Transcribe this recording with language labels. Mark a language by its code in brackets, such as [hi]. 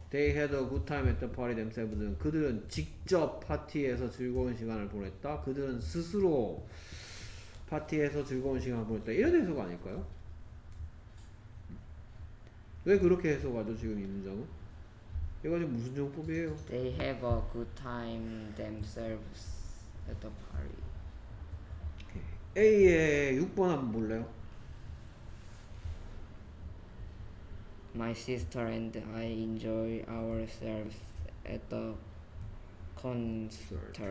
[en] They had a good time at the party themselves. [ko] 그들은 직접 파티에서 즐거운 시간을 보냈다. 그들은 스스로 파티에서 즐거운 시간을 보냈다. 이런 해석 아닐까요? 왜 그렇게 해석하죠? 지금 이 문장은? 이거 지금 무슨 정법이에요? [en] They have a good time themselves at the party. Okay. [ko] A의 6번 한번 볼래요? [en] My sister and I enjoy ourselves at the concert.